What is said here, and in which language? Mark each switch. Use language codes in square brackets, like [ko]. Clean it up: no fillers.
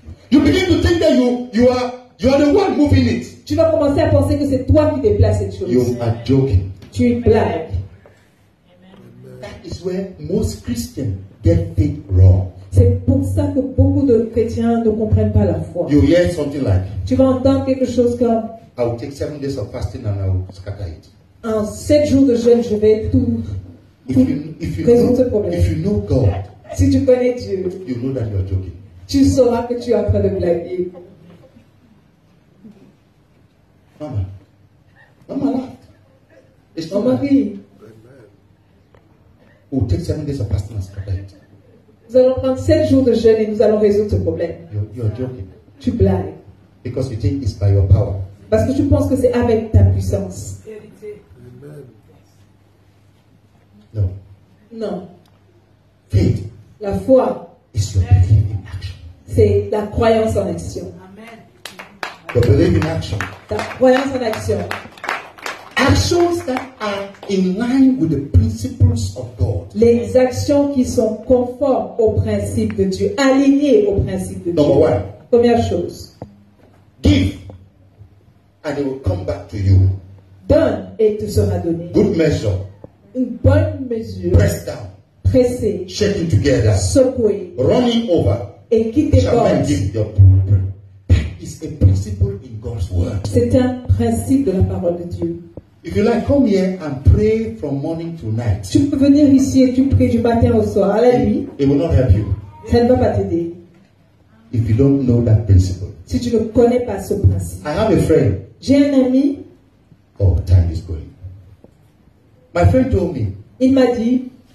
[en] You begin to think that you are the one moving it. [fr] Tu vas commencer à penser que c'est toi qui déplace cette chose. [en] You are joking. [fr] Tu blagues. [en] That is where most Christians get things wrong. [fr] C'est pour ça que beaucoup de chrétiens ne comprennent pas la foi. [en] You hear something like, [fr] tu vas entendre quelque chose comme [en] I will take 7 days of fasting and I will scatter it. [fr] En 7 jours de jeûne, je vais tout résoudre ce problème. [en] If you know God, [fr] si tu connais Dieu, [en] you know that you are joking. [fr] Tu sauras que tu es en train de blaguer. Maman, rie. [en] I will take 7 days of fasting and scatter it. [fr] Nous allons prendre 7 jours de jeûne et nous allons résoudre ce problème. [en] You're joking. [fr] Tu blagues. [en] Because you think it's by your power. [fr] Parce que tu penses que c'est avec ta puissance. Non. Non. [en] Faith. [fr] La foi. [en] Is your belief in action. [fr] C'est la croyance en action. [en] Amen. Your belief in action. [fr] Ta croyance en action. [en] Actions that are in line with the principles of God. [fr] Les actions qui sont conformes aux principes de Dieu, alignées aux principes de Dieu. [en] Number one. [fr] Première chose. [en] Give, and it will come back to you. [fr] Donne et te sera donné. [en] Good measure. [fr] Une bonne mesure. [en] Press down. [fr] Pressé. [en] Shaking together. [fr] Secoué. [en] Running over. [fr] Et qui [en] déborde. That is a principle in God's word. [fr] C'est un principe de la parole de Dieu. [en] If you like, come here and pray from morning to night. [fr] Tu peux venir ici et tu pries du matin au soir. À la nuit. [en] It will not help you. [fr] Ça ne va pas t'aider. [en] If you don't know that principle. [fr] Si tu ne connais pas ce principe. [en] I have a friend. [fr] J'ai un ami. [en] Oh, time is going. My friend told me. [fr] Il m'a dit.